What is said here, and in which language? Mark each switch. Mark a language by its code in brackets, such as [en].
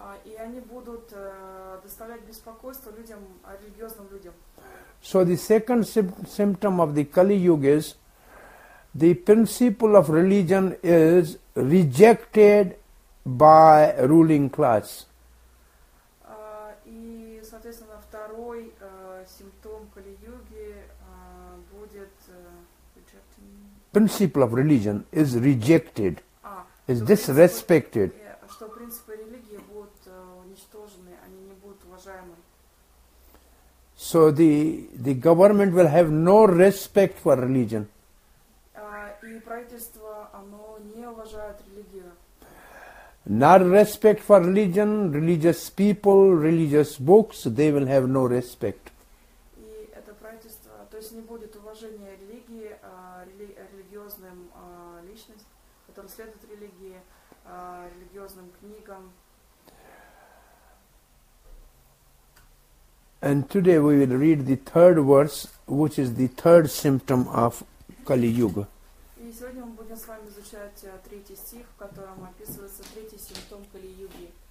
[ru] И они будут доставлять беспокойство людям, религиозным людям. [en] So the second symptom of the Kali Yuga is the principle of religion is rejected by ruling class. [ru] И, соответственно, второй симптом Кали Юги будет [en] rejected. Principle of religion is rejected. Is disrespected. [ru] Что принципы религии будут уничтожены, они не будут уважаемы. [en] So the government will have no respect for religion. [ru] И правительство, оно не уважает религию. [en] Not respect for religion, religious people, religious books, they will have no respect. [ru] И это правительство, то есть не будет уважения религии, религиозным личностям, которые следуют религии, религиозным книгам. [en] And today we will read the third verse, which is the third symptom of Kali Yuga. [ru] И сегодня мы будем с вами изучать третий стих, в котором описывается третий симптом Кали Юги.